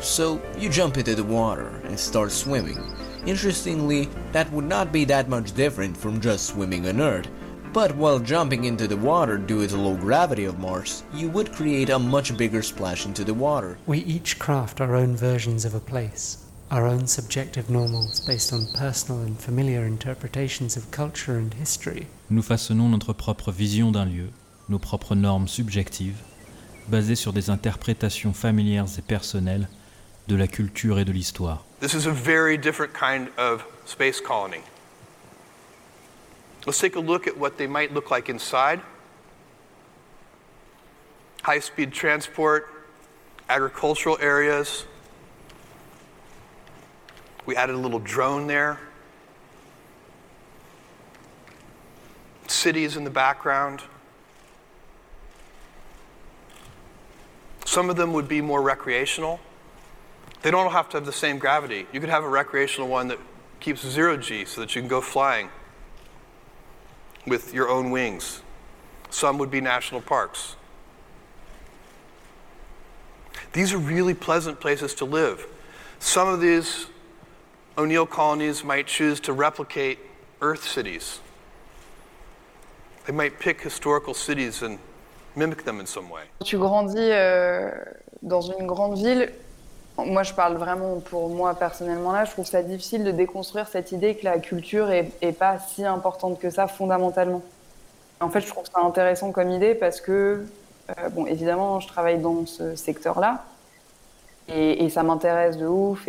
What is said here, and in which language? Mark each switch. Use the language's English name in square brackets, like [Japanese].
[English] So you jump into the water and start swimming. Interestingly, that would not be that much different from just swimming on Earth. But while jumping into the water due to low gravity of Mars, you would create a much bigger splash into the water. We each craft our own versions of a place, our own subjective normals based on personal and familiar interpretations of culture and history. [French] Nous façonnons notre propre vision d'un lieu, nos propres normes subjectives, basées sur des interprétations familières et personnelles de la culture et de l'histoire. [English] This is a very different kind of space colony. Let's take a look at what they might look like inside. High-speed transport, agricultural areas. We added a little drone there. Cities in the background. Some of them would be more recreational. They don't have to have the same gravity. You could have a recreational one that keeps 0G so that you can go flying with your own wings. Some would be national parks. These are really pleasant places to live. Some of these O'Neill colonies might choose to replicate Earth cities. They might pick historical cities and mimic them in some way. [French] Tu grandis dans une grande ville. Moi, je parle vraiment pour moi personnellement là. Je trouve ça difficile de déconstruire cette idée que la culture est pas si importante que ça fondamentalement. En fait, je trouve ça intéressant comme idée parce que, bon, évidemment, je travaille dans ce secteur-là et ça m'intéresse de ouf.